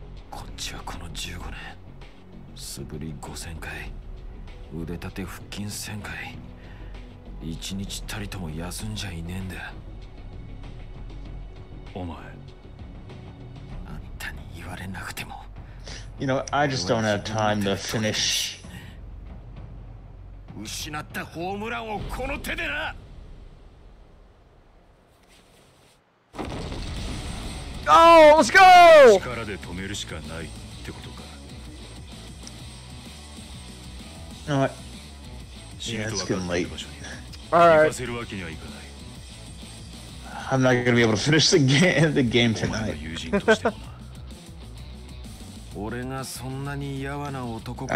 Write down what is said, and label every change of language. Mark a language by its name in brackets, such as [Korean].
[Japanese] こっちはこの15年、素振り5000回、腕立て腹筋1000回、一日たりとも休んじゃいねえんだ。お前、あんたに言われなくても。 [English] You know, I just don't have time to finish. [Japanese] 失ったホームランをこの手でな。 [English] Oh, let's go! [Japanese] 力で止めるしかないってことか。 [English] It's getting late. Alright. [Japanese] せるわけにはいかない。 [English] I'm not gonna be able to finish the game tonight. [Japanese] 俺がそんなにやわな男か。